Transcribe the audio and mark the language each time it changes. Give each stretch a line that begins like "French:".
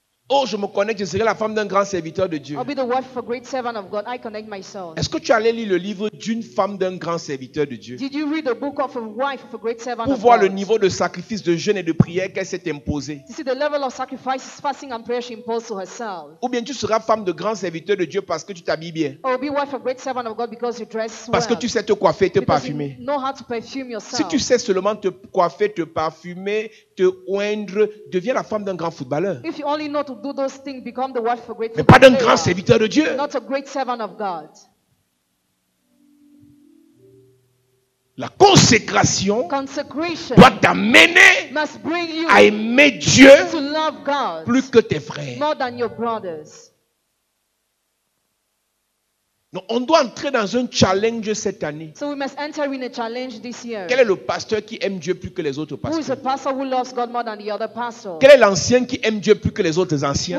French: Oh, je me connecte, je serai la femme d'un grand serviteur de Dieu.
English: I'll be the wife of a great servant of God. I connect myself.
French: Est-ce que tu allais lire le livre d'une femme d'un grand serviteur de Dieu?
English: Did you read the book of a wife of a great servant of God?
French: Pour voir le niveau de sacrifice de jeûne et de prière qu'elle s'est imposé.
English: You see the level of sacrifice, fasting and prayer she imposed to herself.
French: Ou bien tu seras femme de grand serviteur de Dieu parce que tu t'habilles bien.
English: Or be wife of a great servant of God because you dress well.
French: Parce que tu sais te coiffer, te
English: because
French: parfumer.
English: You know how to perfume yourself.
French: Si tu sais seulement te coiffer, te parfumer, te oindre, deviens la femme d'un grand footballeur.
English: If you only know to do those things, become the wife of a great
French: mais pas d'un grand serviteur de Dieu.
English: Not a great servant of God.
French: La consécration
English: consecration
French: doit t'amener
English: must bring you
French: à aimer Dieu
English: to love God
French: plus que tes frères.
English: More than your brothers.
French: Donc, on doit entrer dans un challenge cette année.
English: So we must enter in a challenge this year.
French: Quel est le pasteur qui aime Dieu plus que les autres pasteurs?
English: Who is a pastor who loves God more than the other pastor?
French: Quel est l'ancien qui aime Dieu plus que les autres anciens?